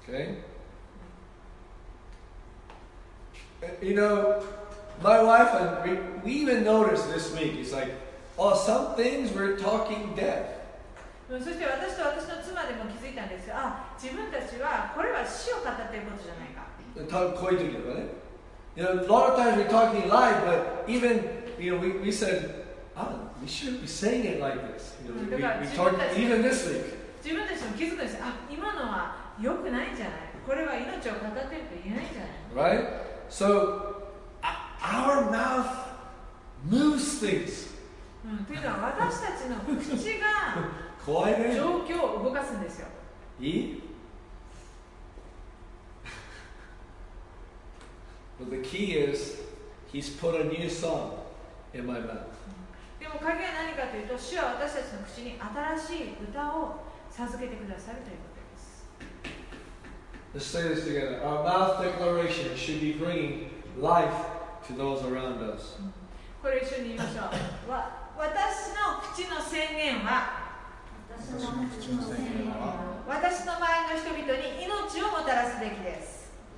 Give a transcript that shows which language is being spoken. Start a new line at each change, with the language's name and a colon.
English: Okay. You know, my wife and we even noticed this week. It's like, oh, some things we're talking death.
Japanese: そして私と私の妻でも気づいたんですよ。あ、自分たちはこれは死を語っていることじゃないか。たぶんこういう時はね。
English: You know, a lot of times we're talking live, but even, you know, we said, ah, we shouldn't be saying it like this. You know, we talked even this week.
Japanese: 自分たちも気づくんですよ。あ、今のは良くないんじゃない。これは命を語っていると言えないんじゃない。
English: Right? So, our mouth moves things.
Japanese: うん、というのは私たちの口が怖いね、状況を動かすんですよ。いい？
English: But the key is, he's put a new song in my mouth.
Japanese: でも鍵は何かというと、主は私たちの口に新しい歌を授けてくださるということです。
English: Let's say this together. Our mouth declaration should be bringing life to those around us.
Japanese: これ一緒に言いましょう。私の口の宣言は、私の周りの人々に命をもたらすべきです。